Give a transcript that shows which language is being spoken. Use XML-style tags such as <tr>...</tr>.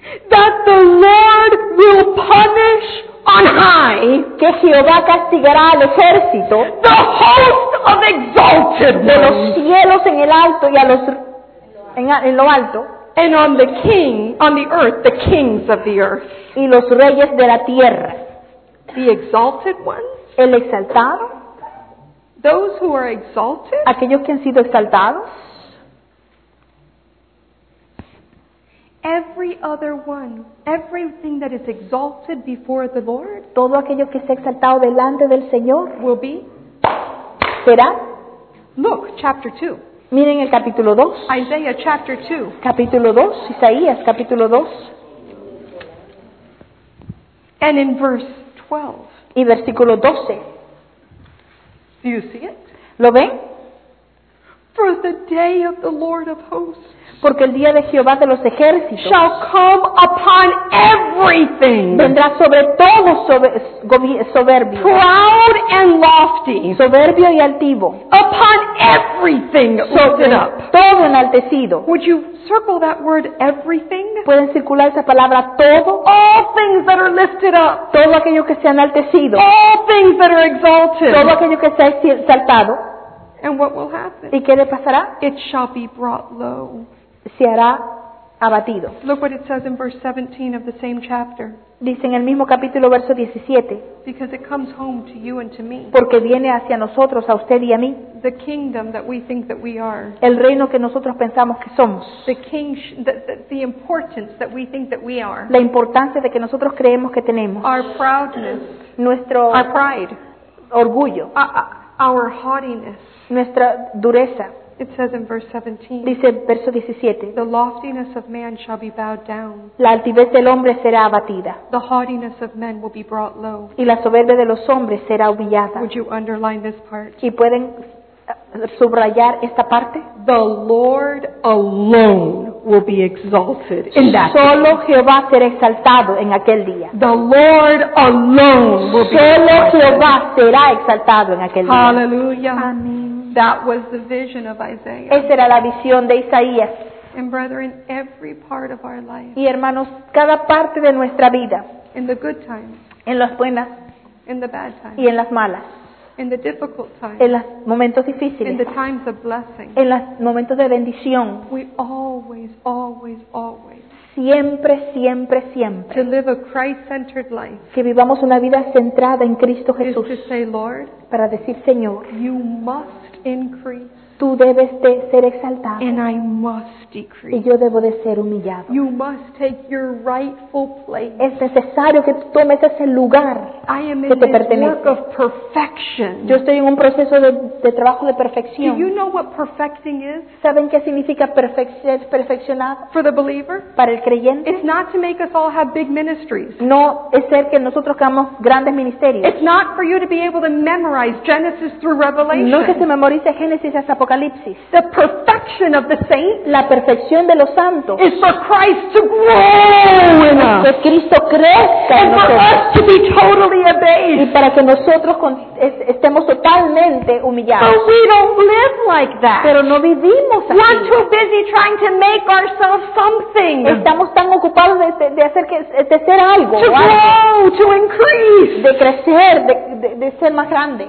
<en>that the Lord will punish on high,</en> <es>que Jehová castigará al ejército,</es> <en>the host of exalted</en> <es>de los cielos en el alto y a los en lo alto,</es> <en>and on the king on the earth, the kings of the earth,</en> <es>y los reyes de la tierra,</es> <en>the exalted ones,</en> <es>el exaltado,</es> <en>those who are exalted,</en> <es>aquellos que han sido exaltados.</es> <en>Every other one, everything that is exalted before the Lord,</en> <es>todo aquello que sea exaltado delante del Señor,</es> <en>will be,</en> <es>será.</es> <en>Look, chapter 2.</en> <es>Miren el capítulo 2.</es> <en>Isaiah chapter 2.</en> <es>Capítulo 2, Isaías capítulo 2.</es> <en>And in verse 12.</en> <es>Y versículo 12.</es> <en>Do you see it?</en> <es>¿Lo ven?</es> <en>For the day of the Lord of hosts.</en> <es>Porque el día de Jehová de los ejércitos</es> <en>shall come upon everything.</en> <es>Vendrá sobre todo soberbio.</es> <en>Proud and lofty.</en> <es>Soberbio y altivo.</es> <en>Upon everything lifted up.</en> <es>Todo enaltecido.</es> <en>Would you circle that word everything?</en> <es>¿Pueden circular esa palabra todo?</es> <en>All things that are lifted up.</en> <es>Todo aquello que sea enaltecido.</es> <en>All things that are exalted.</en> <es>Todo aquello que sea exaltado.</es> <en>And what will happen?</en> <es>¿Y qué le pasará?</es> <en>It shall be brought low.</en> <es>Se hará abatido.</es> <en>Look what it says in verse 17 of the same chapter.</en> <es>Dice en el mismo capítulo verso 17.</es> <en>Because it comes home to you and to me.</en> <es>Porque viene hacia nosotros, a usted y a mí.</es> <en>The kingdom that we think that we are.</en> <es>El reino que nosotros pensamos que somos.</es> <en>The importance that we think that we are.</en> <es>La importancia de que nosotros creemos que tenemos.</es> <en>Our proudness.</en> <es>Nuestro</es> <en>our pride.</en> <es>Orgullo.</es> <en>Our haughtiness.</en> <es>Nuestra dureza.</es> <en>It says in verse 17.</en> <es>Dice verso 17.</es> <en>The loftiness of man shall be bowed down.</en> <es>La altivez del hombre será abatida.</es> <en>The haughtiness of men will be brought low.</en> <es>Y la soberbia de los hombres será humillada.</es> <en>Would you underline this part?</en> <es>¿Y pueden subrayar esta parte?</es> <en>The Lord alone will be exalted in that.</en> <es>Solo Jehová será exaltado en aquel día.</es> <en>The Lord alone will be</en> <es>solo Jehová será exaltado en aquel día.</es> <en>Hallelujah.</en> <es>Amén.</es> <en>That was the vision of Isaiah.</en> <es>Esa era la visión de Isaías.</es> <en>And brethren, every part of our life.</en> <es>Y hermanos, cada parte de nuestra vida.</es> <en>In the good times.</en> <es>En las buenas.</es> <en>In the bad times.</en> <es>Y en las malas.</es> <en>In the difficult times.</en> <es>En los momentos difíciles.</es> <en>In the times of blessing.</en> <es>En los momentos de bendición.</es> <en>We always, always, always.</en> <es>Siempre, siempre, siempre.</es> <en>To live a Christ-centered life.</en> <es>Que vivamos una vida centrada en Cristo Jesús.</es> <en>Is to say, Lord.</en> <es>Para decir, Señor.</es> <en>You must. Increase.</en> <es>Tú debes de ser exaltado.</es> <en>And I must decrease.</en> <es>Y yo debo de ser humillado.</es> <en>You must take your rightful place.</en> <es>Es necesario que tú tomes ese lugar que te pertenece.</es> <en>I am in this work of perfection.</en> <es>Yo estoy en un proceso de trabajo de perfección.</es> <en>Do you know what perfecting is?</en> <es>¿Saben qué significa perfeccionar?</es> <en>For the believer?</en> <es>Para el creyente.</es> <en>It's not to make us all have big ministries.</en> <es>No es ser que nosotros hagamos grandes ministerios.</es> <en>It's not for you to be able to memorize Genesis through Revelation.</en> <es>No es que se memorice Génesis hasta Apocalipsis.</es> <en>The perfection of the saints,</en> <es>la perfección de los santos,</es> <en>is for Christ to grow in us.</en> <es>Que Cristo crezca en nosotros.</es> <en>And for us to be totally obeyed.</en> <es>Y para que nosotros estemos totalmente humillados.</es> <en>But we don't live like that.</en> <es>Pero no vivimos así.</es> <en>We're too busy trying to make ourselves something.</en> <es>Estamos tan ocupados de hacer que de ser algo.</es> <en>To grow, to increase.</en> <es>De crecer, de ser más grande.</es>